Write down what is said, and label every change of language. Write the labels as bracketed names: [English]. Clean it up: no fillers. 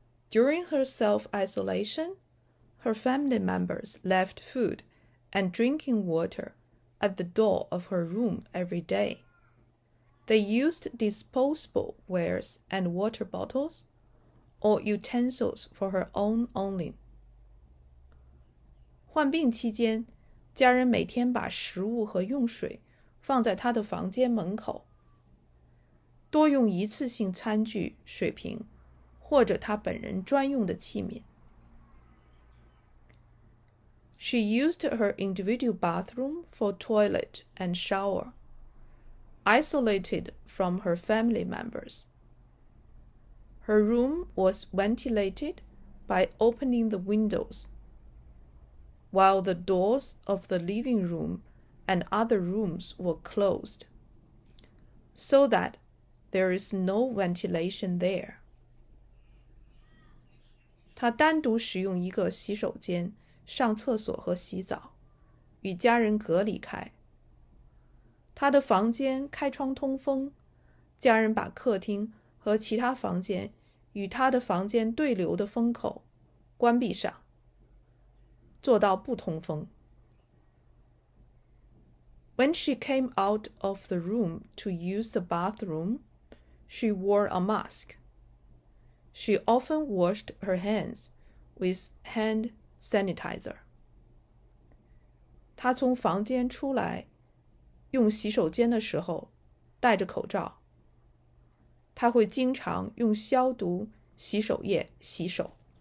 [English] During her self-isolation, her family members left food and drinking water at the door of her room every day. They used disposable wares and water bottles or utensils for her own only. [Chinese] 患病期间，家人每天把食物和用水放在她的房间门口，多用一次性餐具、水瓶或者她本人专用的器皿。 [English] She used her individual bathroom for toilet and shower, isolated from her family members. Her room was ventilated by opening the windows, while the doors of the living room and other rooms were closed, so that there is no ventilation there. [Chinese] 她单独使用一个洗手间上厕所和洗澡，与家人隔离开。她的房间开窗通风，家人把客厅和其他房间与她的房间对流的风口关闭上，做到不通风。 [English] When she came out of the room to use the bathroom, she wore a mask. She often washed her hands with hand sanitizer. [Chinese] 她从房间出来用洗手间的时候戴着口罩。她会经常用消毒洗手液洗手。